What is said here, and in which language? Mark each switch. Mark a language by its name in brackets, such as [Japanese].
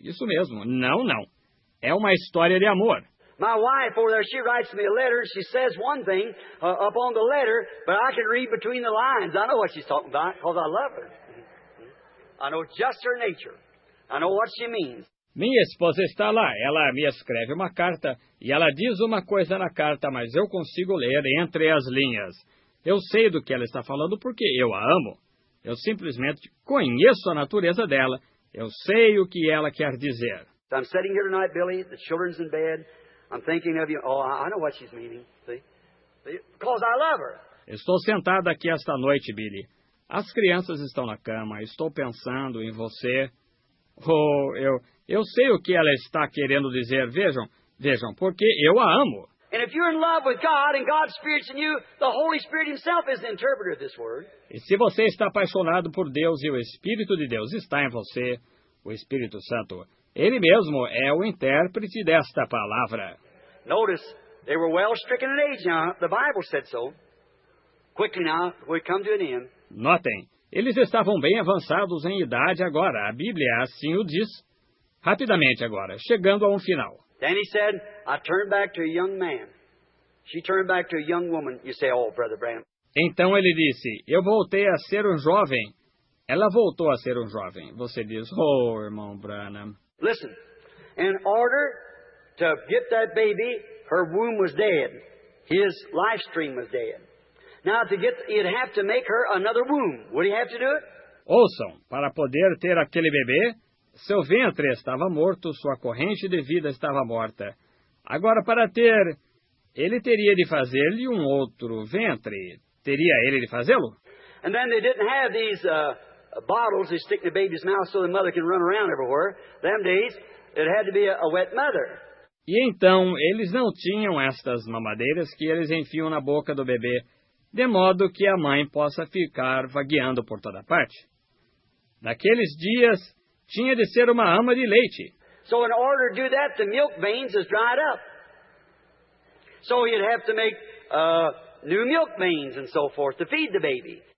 [Portuguese] Isso mesmo. Não, não. É uma história de amor. [English] My wife over there, she writes me a letter. She says one thing up on the letter, but I can read between the lines. I know what she's talking about because I love her. I know just her nature. I know what she means. [Portuguese] Minha esposa está lá. Ela me escreve uma carta e ela diz uma coisa na carta, mas eu consigo ler entre as linhas. Eu sei do que ela está falando porque eu a amo. Eu simplesmente conheço a natureza dela. Eu sei o que ela quer dizer. [English] So I'm sitting here tonight, Billy. The children's in bed. I'm thinking of you. Oh, I know what she's meaning. See? Because I love her. [Portuguese] Estou sentado aqui esta noite, Billy. As crianças estão na cama. Estou pensando em você. Oh, eu sei o que ela está querendo dizer. Vejam, vejam, porque eu a amo. [English] And if you're in love with God and God's Spirit in you, the Holy Spirit himself is the interpreter of this word. [Portuguese] E se você está apaixonado por Deus e o Espírito de Deus está em você, o Espírito Santo, ele mesmo é o intérprete desta palavra. [English] Notice, they were well stricken in age, huh? The Bible said so. Quickly now, we come to an end. [Portuguese] Notem, eles estavam bem avançados em idade agora. A Bíblia assim o diz. Rapidamente agora, chegando a um final. [English] Then he said, I turned back to a young man. She turned back to a young woman. You say, oh, Brother Branham. [Portuguese] Então ele disse, eu voltei a ser um jovem. Ela voltou a ser um jovem. Você diz, oh, irmão Branham. [English] Listen, in order to get that baby, her womb was dead. His life stream was dead. Now, to get, he'd have to make her another womb. Would he have to do it? [Portuguese] Ouçam, para poder ter aquele bebê, seu ventre estava morto, sua corrente de vida estava morta. Agora, para ter, ele teria de fazer-lhe um outro ventre. Teria ele de fazê-lo? [English] And then they didn't have these bottles they stick in the baby's mouth so the mother can run around everywhere. Them days, it had to be a wet mother. [Portuguese] E então, eles não tinham estas mamadeiras que eles enfiam na boca do bebê, de modo que a mãe possa ficar vagueando por toda parte. Naqueles dias, tinha de ser uma ama de leite. [English] So in order to do that, the milk veins is dried up. So you'd have to make new milk veins and so forth to feed the baby.